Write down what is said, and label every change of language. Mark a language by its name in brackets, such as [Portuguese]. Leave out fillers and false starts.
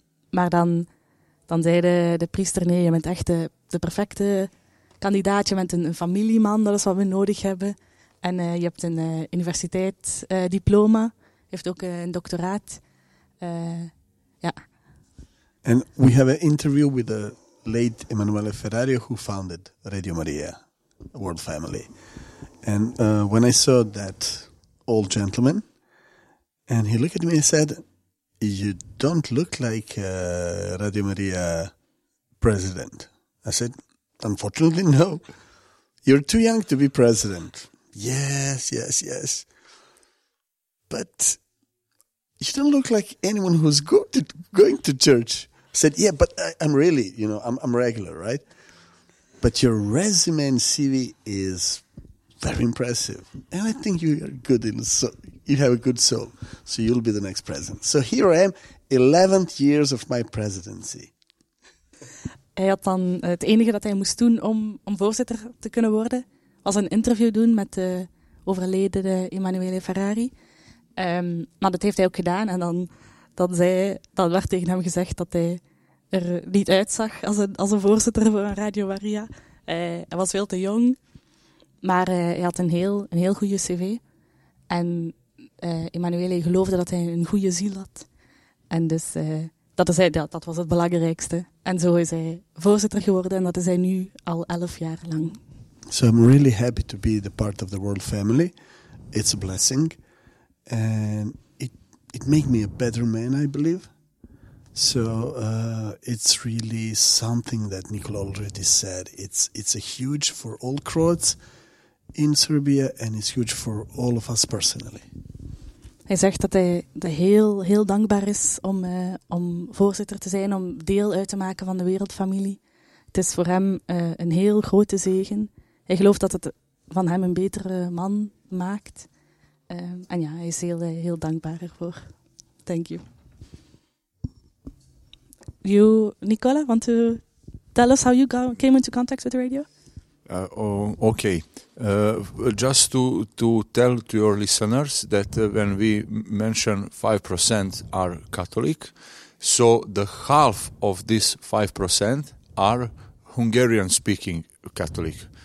[Dutch] Maar dan zei de priester, nee, je bent echt de perfecte kandidaat. Je bent een familieman, dat is wat we nodig hebben. En je hebt een universiteitsdiploma. Je hebt ook een doctoraat. Ja. [English] And we have an interview with the late Emanuele Ferrario, who founded Radio Maria, World Family. And when I saw that... old gentleman, and he looked at me and said, you don't look like Radio Maria president. I said, unfortunately, no. You're too young to be president. Yes. But you don't look like anyone who's going to church. I said, yeah, but I'm really, I'm regular, right? But your resume and CV is... very impressive. And I think you are good in soul. You have a good soul. So you'll be the next president. So here I am, 11th years of my presidency. [Dutch] Hij had dan het enige dat hij moest doen om voorzitter te kunnen worden, was een interview doen met de overleden Emanuele Ferrari. Maar dat heeft hij ook gedaan. En dan werd tegen hem gezegd dat hij er niet uitzag als een voorzitter van Radio Maria. Hij was veel te jong. Maar hij had een heel goede cv. En Emanuele geloofde dat hij een goede ziel had. En dus dat was het belangrijkste. En zo is hij voorzitter geworden. En dat is hij nu al 11 jaar lang. [English] So I'm really happy to be the part of the world family. It's a blessing. And it made me a better man, I believe. So it's really something that Nicola already said. It's a huge for all Croats in Serbia, and it's huge for all of us personally. [Dutch] Hij zegt dat hij heel, heel dankbaar is om voorzitter te zijn, om deel uit te maken van de wereldfamilie. Het is voor hem een heel grote zegen. Hij gelooft dat het van hem een betere man maakt. En ja, hij is heel, heel dankbaar ervoor. [English] Thank you. you, Nicola, want to tell us how you came into contact with the radio? Okay. Just to tell to your listeners that when we mention 5% are Catholic, so the half of this 5% are Hungarian-speaking Catholic.